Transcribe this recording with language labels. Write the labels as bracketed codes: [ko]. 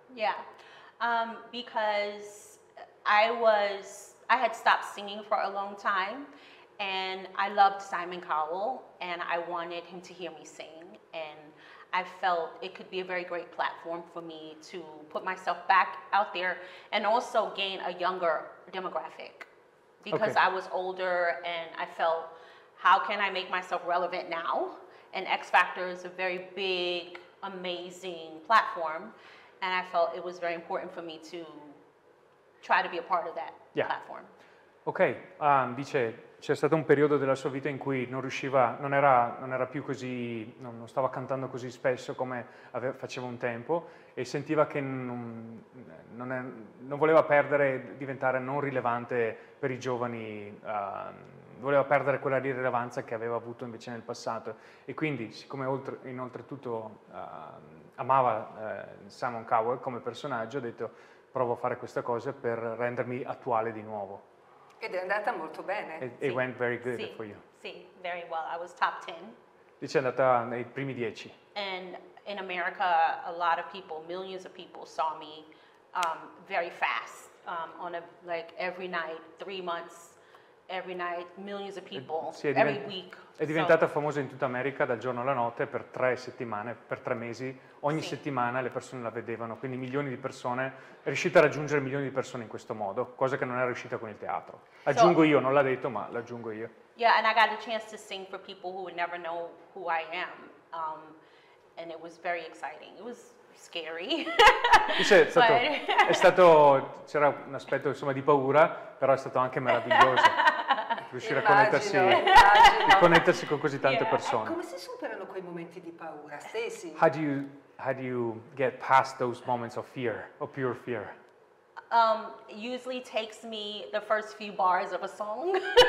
[en] Yeah, because I had stopped singing for a long time, and I loved Simon Cowell, and I wanted him to hear me sing, and I felt it could be a very great platform for me to put myself back out there and also gain a younger demographic, because okay. I was older, and I felt, how can I make myself relevant now? And X Factor is a very big, amazing platform. And I felt it was very important for me to try to be a part of that yeah. platform. [it] Ok, dice, c'è stato un periodo della sua vita in cui non riusciva, non era più così, non stava cantando così spesso come faceva un tempo e sentiva che non voleva perdere, diventare non rilevante per i giovani, voleva perdere quella rilevanza che aveva avuto invece nel passato e quindi siccome inoltretutto amava Simon Cowell come personaggio ha detto provo a fare questa cosa per rendermi attuale di nuovo. Ed è andata molto bene. [en] It went very good for you. Sì, very well. I was top 10. [it] Dice, è andata nei primi 10. [en] And in America a lot of people, millions of people saw me very fast on a like every night, 3 months. Every night, millions of people, [it] sì, diventata, [en] every week. [it] È diventata famosa in tutta America dal giorno alla notte per 3 settimane, per 3 mesi. Ogni sì. settimana le persone la vedevano, quindi milioni di persone. È riuscita a raggiungere milioni di persone in questo modo, cosa che non è riuscita con il teatro. Aggiungo [en] so, [it] io, non l'ha detto, ma l'aggiungo io. [en] Yeah, and I got a chance to sing for people who would never know who I am. And it was very exciting. It was scary. [it] Dice, è stato, c'era un aspetto insomma di paura, però è stato anche meraviglioso. Riuscire immagino, a connettersi con così tante [en] yeah. [it] persone. Come si superano quei momenti di paura, Stacy? [en] How do you get past those moments of fear, of pure fear? Usually takes me the first few bars of a song.